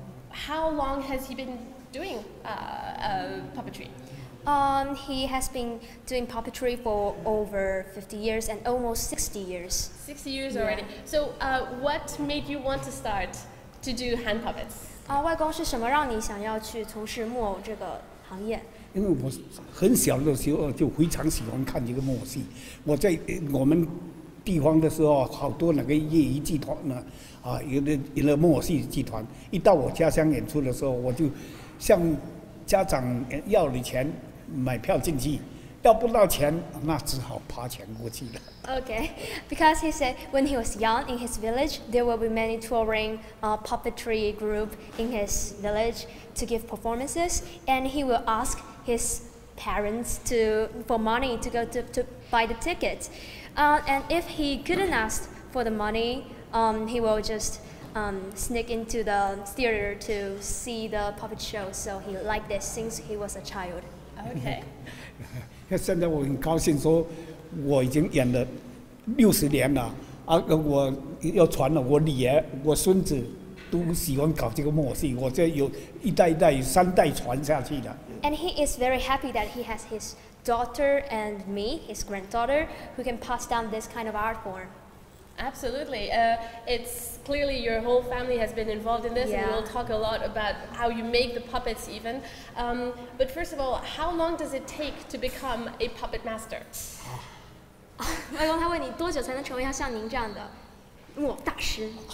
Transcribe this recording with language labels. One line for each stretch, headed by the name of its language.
English: How long has he been doing puppetry? He has been doing puppetry for over 50 years and almost 60 years. 60 years already. Yeah. So, what made you want to start to do hand puppets?
Chinese: 外公是什么让你想要去从事木偶这个行业？因为我很小的时候就非常喜欢看这个木偶戏。我在我们地方的时候，好多那个业余剧团呢，有的木偶戏剧团，一到我家乡演出的时候，我就像家长要了钱买票进去，要不到钱那只好爬墙过去了。
English: Okay, because he said when he was young in his village, there will be many touring puppetry group in his village to give performances, and he will ask his parents for money to go to buy the tickets. And if he couldn't ask for the money, he will just sneak into the theater to see the puppet show. So he liked this since he was a child. Okay.
Chinese: 现在我很高兴说，我已经演了60年了，而我要传了，我女儿、我孙子都喜欢搞这个木偶戏，我这有一代一代、三代传下去的。
English: And he is very happy that he has his daughter and me, his granddaughter, who can pass down this kind of art form. Absolutely. It's clearly your whole family has been involved in this, yeah. And we'll talk a lot about how you make the puppets even. But first of all, how long does it take to become a puppet master?
Chinese: 外公他问你多久才能成为像您这样的木偶大师？